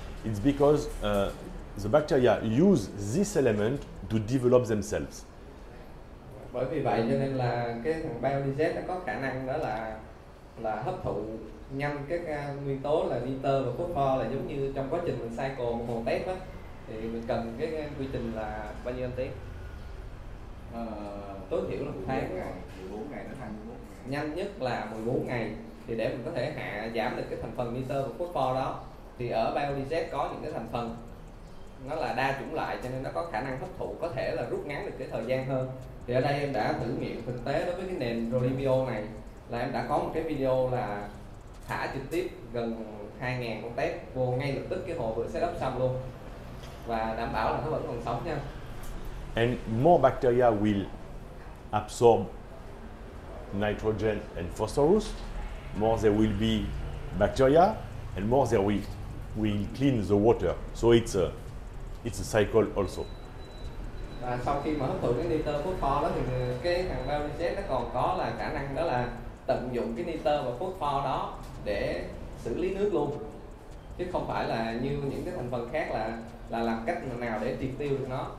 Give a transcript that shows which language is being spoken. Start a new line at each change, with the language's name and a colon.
English: It's because the bacteria use this element to develop themselves.
Vietnamese: Bởi vì vậy cho nên là cái thằng biodigest nó có khả năng đó là hấp thụ nhanh các nguyên tố là nitơ và phốt pho, là giống như trong quá trình mình cycle một hồ tép á, thì mình cần cái quy trình là bao nhiêu anh Tiến? Tối thiểu là 1 tháng. 14 ngày, nó thành 14 ngày. Nhanh nhất là 14 ngày thì để mình có thể hạ giảm được cái thành phần nitơ và phốt pho đó. Thì ở biodigest có những cái thành phần nó là đa chủng loại cho nên nó có khả năng hấp thụ, có thể là rút ngắn được cái thời gian hơn. Thì ở đây em đã thử nghiệm thực tế đối với cái nền Rodibio này, là em đã có một cái video là thả trực tiếp gần 2.000 con tép vô ngay lập tức cái hồ vừa set up xong luôn, và đảm bảo là nó vẫn còn sống nha.
English: And more bacteria will absorb nitrogen and phosphorus, more there will be bacteria, and more there will clean the water. So it's a cycle also.
Vietnamese: Và sau khi mà hấp thụ cái nitơ phốt pho đó, thì cái thằng biodigest nó còn có là khả năng đó là tận dụng cái nitơ và phốt pho đó để xử lý nước luôn, chứ không phải là như những cái thành phần khác là làm cách nào để triệt tiêu được nó.